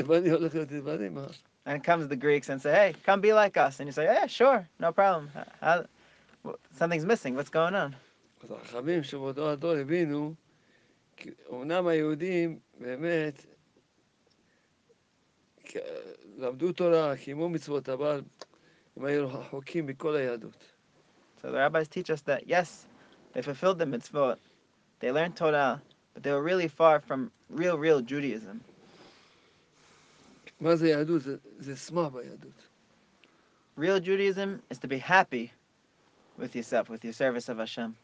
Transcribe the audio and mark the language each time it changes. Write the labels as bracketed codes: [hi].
[en] And comes the Greeks and say, hey, come be like us. And you say, yeah, sure, no problem. Something's missing, what's going on? [he] אז החכמים שבאותו הדור הבינו כי אומנם היהודים באמת למדו תורה, קיימו מצוות, אבל הם היו רחוקים מכל היהדות. [en] So the rabbis teach us that yes, they fulfilled the mitzvot, they learned Torah, but they were really far from real, real Judaism. [he] מה זה יהדות? זה שמח ביהדות. [en] Real Judaism is to be happy with yourself, with your service of Hashem.